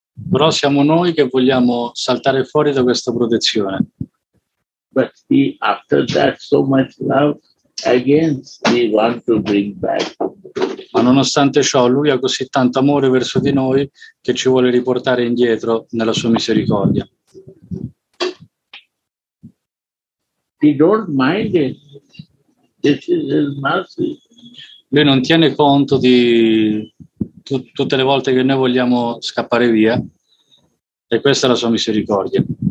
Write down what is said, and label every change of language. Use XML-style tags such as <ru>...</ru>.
<it>Però siamo noi che vogliamo saltare fuori da questa protezione.</it> <en>But he, after that so much love, again we want to bring back.</en> <it>Ma nonostante ciò, lui ha così tanto amore verso di noi che ci vuole riportare indietro nella sua misericordia.</it> <en>He don't mind it. This is his mercy.</en> <it>Lui non tiene conto di tutte le volte che noi vogliamo scappare via, e questa è la sua misericordia.</it>